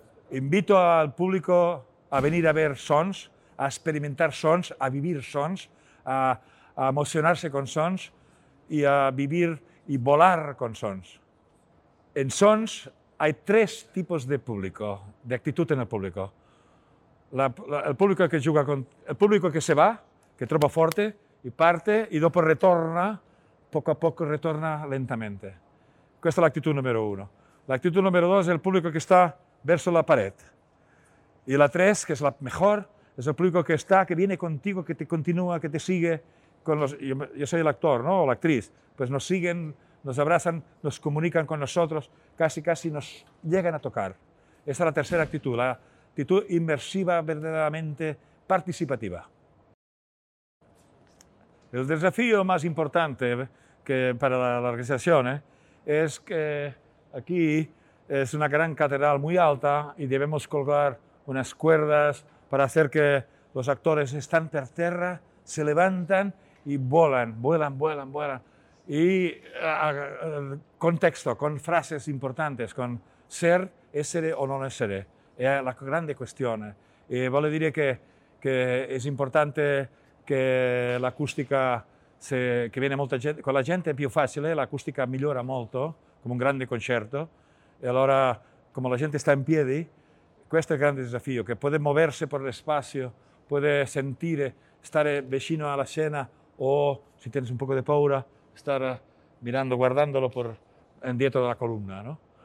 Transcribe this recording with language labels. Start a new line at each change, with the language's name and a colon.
Italian: Invito al pubblico a venire a vedere Sons, a sperimentare Sons, a vivere Sons, a emozionarsi con Sons e a vivere e volare con Sons.
Spanish: In Sons hay tres tipos de público, de actitud en el público. El público que se va, que troba fuerte, y parte, y después retorna, poco a poco retorna lentamente. Esta es la actitud número uno. La actitud número dos es el público que está verso la pared. Y la tres, que es la mejor, es el público que está, que viene contigo, que te continúa, que te sigue. Yo soy el actor, ¿no? O la actriz. Pues nos siguen, nos abrazan, nos comunican con nosotros, casi, casi nos llegan a tocar. Esta es la tercera actitud, la actitud inmersiva, verdaderamente participativa. El desafío más importante que para la organización es que aquí es una gran catedral muy alta y debemos colgar unas cuerdas para hacer que los actores están por tierra, se levantan y vuelan, vuelan, vuelan, vuelan. Y con texto, con frases importantes, con ser,
Italian: essere o non essere.
Spanish: Es la grande cuestión. Y vale decir que es importante que la acústica, que viene mucha gente, con la gente es más fácil, la acústica mejora mucho, como un grande concierto. Y ahora, como la gente está en pie, este es el gran desafío, que puede moverse por el espacio, puede sentir, estar vecino a la escena o, si tienes un poco de paura, estar mirando, guardándolo por dietro de la columna, ¿no?